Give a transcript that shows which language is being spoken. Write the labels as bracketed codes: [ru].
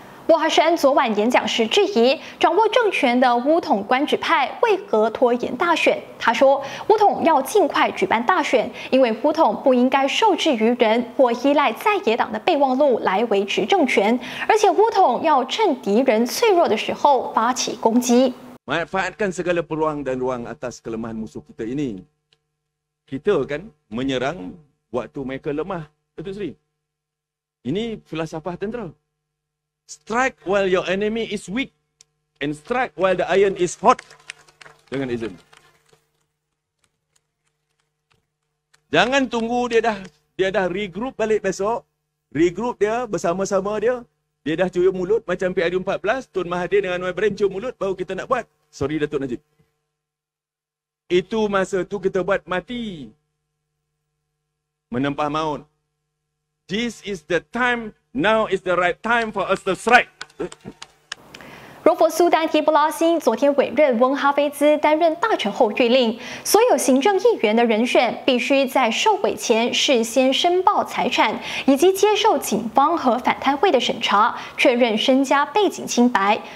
[zh] 穆哈山昨晚演讲时质疑掌握政权的巫统官职派为何拖延大选。他说，巫统要尽快举办大选，因为巫统不应该受制于人或依赖在野党的备忘录来维持政权，而且巫统要趁敌人脆弱的时候发起攻击。 [ms] Manfaatkan segala peluang dan ruang atas kelemahan musuh kita ini. Kita kan menyerang waktu mereka lemah, Datuk Seri. Ini filosofah tentera. [en] Strike while your enemy is weak, and strike while the iron is hot. [ms] Dengan izin. Jangan tunggu dia dah regroup balik besok. Regroup dia bersama-sama dia. Dia dah cium mulut macam PRU14, Tun Mahathir dengan Anwar Ibrahim cium mulut baru kita nak buat. Sorry Datuk Najib. Itu masa tu kita buat mati. Menempah maut. [en] This is the time. Now is the right time for us to strike. [zh] 柔佛苏丹提布拉辛昨天委任翁哈菲兹担任大臣后谕令，所有行政议员的人选必须在受委前事先申报财产，以及接受警方和反贪会的审查，确认身家背景清白。